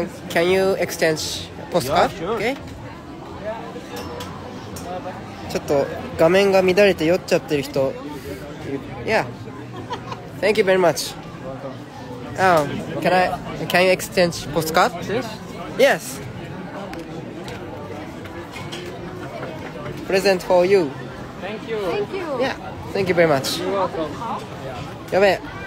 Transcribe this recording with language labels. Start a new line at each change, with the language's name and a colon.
English: can you exchange postcard? Yeah, sure. Okay.
Japanese: ちょっと画面が乱れて酔っちゃってる人。
English: Yeah. Thank you very much. Can you exchange postcard? Yes. Present for you. Thank you. Yeah, thank you very much. You're welcome.
Japanese: やべえ。